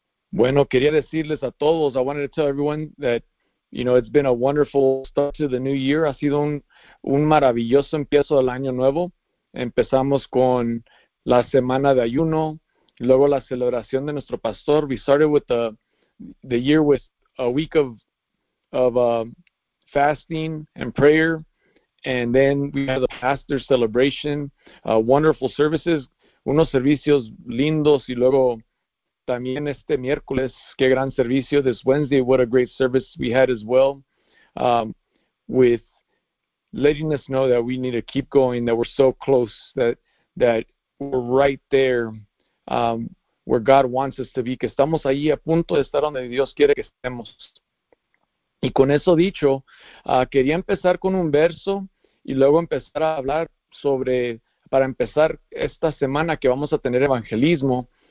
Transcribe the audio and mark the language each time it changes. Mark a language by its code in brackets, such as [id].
[es] Bueno, quería decirles a todos, [en] I wanted to tell everyone that, it's been a wonderful start to the new year. [es] Ha sido un maravilloso empiezo del año nuevo. Empezamos con la semana de ayuno, luego la celebración de nuestro pastor. [en] We started with the year with a week of fasting and prayer, and then we had the pastor celebration, wonderful services, [es] unos servicios lindos, [en] y luego también este miércoles, qué gran servicio. This Wednesday, what a great service we had as well, with letting us know that we need to keep going, that we're so close, that we're right there, where God wants us to be, [es] que estamos ahí a punto de estar donde Dios quiere que estemos. Y con eso dicho, quería empezar con un verso y luego empezar a hablar sobre, para empezar esta semana que vamos a tener evangelismo.